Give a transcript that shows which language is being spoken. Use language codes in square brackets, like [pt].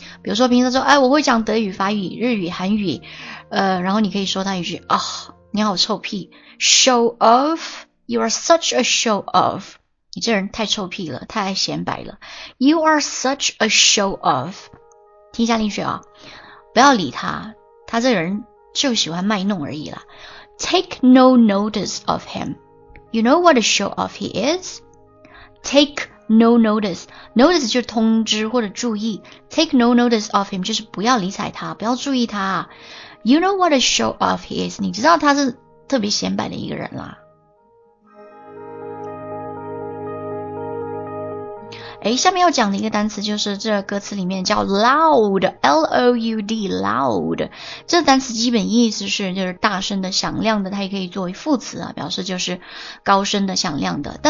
[zh] 比如说平时说哎，我会讲德语、法语、日语、韩语，然后你可以说他一句啊、哦，你好臭屁， show off， [en] you are such a show off， [zh] 你这人太臭屁了，太显摆了， you are such a show off。听一下例句啊，不要理他，他这个人就喜欢卖弄而已啦。 [en] Take no notice of him. You know what a show off he is? Take no notice. [zh] Notice 就是通知或者注意。 [en] Take no notice of him [zh] 就是不要理睬他，不要注意他。 [en] You know what a show off he is? [zh] 你知道他是特别显摆的一个人啦。诶，下面要讲的一个单词就是这歌词里面叫 loud， L-O-U-D， loud， 这单词基本意思是就是大声的、响亮的，它也可以作为副词啊，表示就是高声的、响亮的。